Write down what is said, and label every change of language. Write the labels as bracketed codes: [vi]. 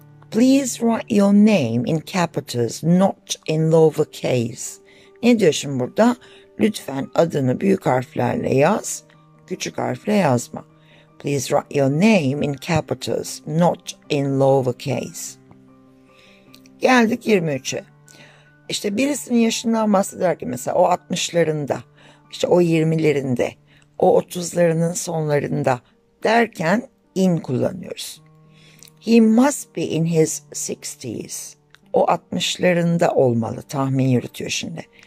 [en] Please write your name in capitals, not in lowercase. [tr] Ne diyor şimdi burada? Lütfen adını büyük harflerle yaz, küçük harfle yazma. [en] Please write your name in capitals, not in lowercase. [tr] Geldik 23'e. İşte birisinin yaşından bahsederken mesela o 60'larında, işte o 20'lerinde, o 30'larının sonlarında derken in kullanıyoruz. [en] He must be in his 60s. [tr] O 60'larında olmalı, tahmin yürütüyor şimdi.